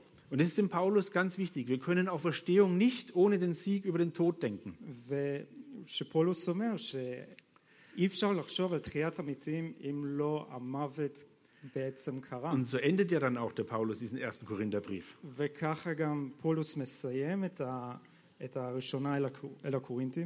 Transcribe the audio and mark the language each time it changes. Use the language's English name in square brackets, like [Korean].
[German] Und das ist in Paulus ganz wichtig. Wir können auch Verstehung nicht ohne den Sieg über den Tod denken. [Hebrew] Paulus אומר שאפשר לחשוב על תחיית המתים אם לא המוות בעצם קרה. [German] Und so endet ja dann auch der Paulus diesen ersten Korintherbrief. [Hebrew] וככה גם פולוס מסיים את הראשונה אל הקורינטים.